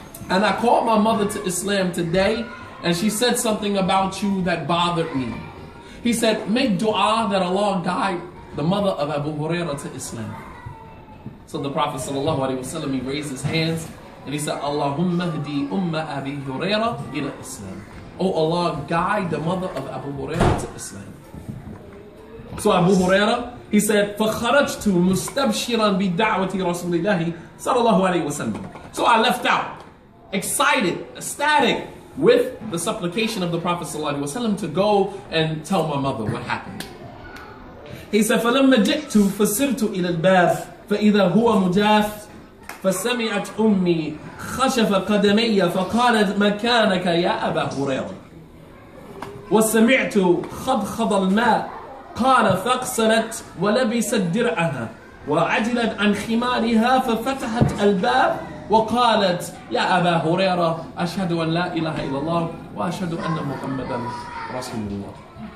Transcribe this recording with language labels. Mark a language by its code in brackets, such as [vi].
[en] And I called my mother to Islam today, and she said something about you that bothered me. He said, make dua that Allah guide the mother of Abu Huraira to Islam. So the Prophet sallallahu alaihi wasallam, he raised his hands and he said, [ar] Allahumma hdi umma Abi Huraira ila Islam. [en] Oh Allah, guide the mother of Abu Huraira to Islam. So Abu Huraira, he said, [ar] فخرجت مستبشرا بدعوة رسول الله صلى الله عليه وسلم. [en] So I left out, excited, ecstatic, with the supplication of the Prophet sallallahu alaihi wasallam to go and tell my mother what happened. [ar] He said, فَلَمَّ جِئْتُ فَسِرْتُ إِلَى الْبَابِ فَإِذَا هُوَ مُجَافٍ فَسَمِعَتْ أُمِّي خَشَفَ قَدَمَيَّ فَقَالَتْ مَكَانَكَ يَا أَبَا هُرَيْرَ وَسَمِعْتُ خَضْخَضَ الْمَاءِ قَالَ فَاقْسَلَتْ وَلَبِسَتْ دِرْعَهَا وَعَدِلَتْ عَنْ خِمَارِهَا فَفَتَحَتْ الْبَابَ وَقَالَتْ يَا أَبَا هُرَيْرَ أَشْهَدُ أَنْ لَا إِلَهَ إِلَّا اللَّهُ وَأَشْهَدُ أَنَّ مُحَمَّدًا رَسُولُ اللَّهِ.